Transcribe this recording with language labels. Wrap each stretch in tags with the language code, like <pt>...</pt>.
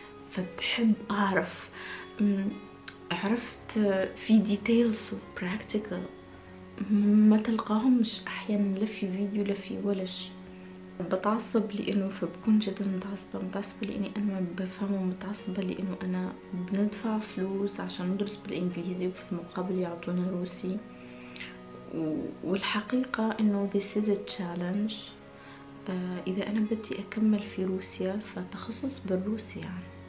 <ar>فبحب اعرف، عرفت في details في practical ما تلقاهم، مش احيانا لا في فيديو لا في ولا شيء. بتعصب لانه، فبكون جدا متعصبة لاني انا ما بفهمه، متعصبة لانه انا بندفع فلوس عشان ندرس بالانجليزي وفي المقابل يعطونا روسي،</ar> <en>والحقيقة إنه this is a challenge.</en> <ar>إذا أنا بدي أكمل في روسيا فتخصص بالروسي يعني.</ar>